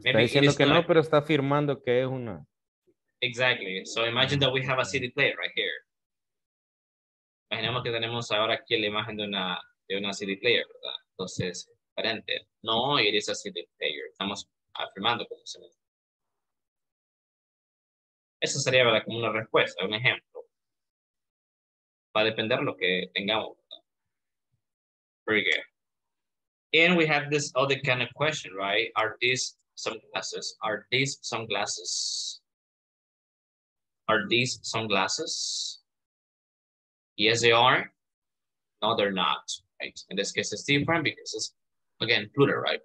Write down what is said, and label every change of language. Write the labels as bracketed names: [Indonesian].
[Spanish] Maybe está diciendo que no, pero está afirmando que es una. [English] Exactly. So imagine that we have a CD player right here. [Spanish] Imaginemos que tenemos ahora aquí la imagen de una CD player, ¿verdad? Entonces, diferente. [English] No, it is a CD player. [Spanish] Estamos afirmando como se me. Eso sería, ¿verdad? Como una respuesta, un ejemplo. Va a depender de lo que tengamos, ¿verdad? [English] Very good. And we have this other kind of question, right? Are these sunglasses? Are these sunglasses? Are these sunglasses? Yes, they are. No, they're not, right? In this case, it's different because it's, again, plural, right?